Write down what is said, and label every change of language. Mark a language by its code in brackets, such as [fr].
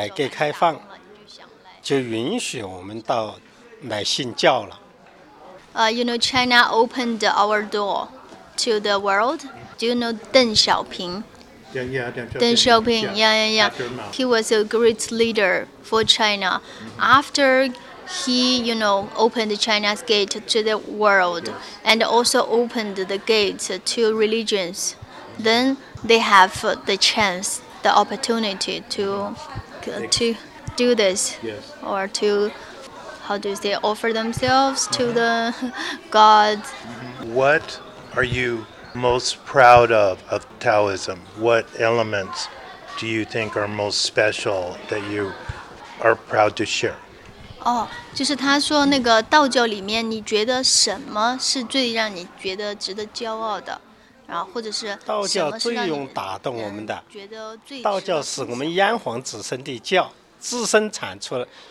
[zh] 真正的就是道教，真正的打动你，让你真正的就是奉献自己给道教的是什么？我们的改革开放就允许我们到。来信教了。 You [en] know, China opened our door to the world. Do you know Deng Xiaoping? Deng Xiaoping. He was a great leader for China. After he, you know, opened China's gate to the world, and also opened the gate to religions, then they have the chance, the opportunity to do this, or to. How do they offer themselves to the gods? What are you most proud of Taoism? What elements do you think are most special that you are proud to share? [zh] Oh, 就是他说那个道教里面，你觉得什么是最让你觉得值得骄傲的？然后或者是道教最能打动我们的，觉得最值得。道教是我们炎黄子孙的教，自身产出的。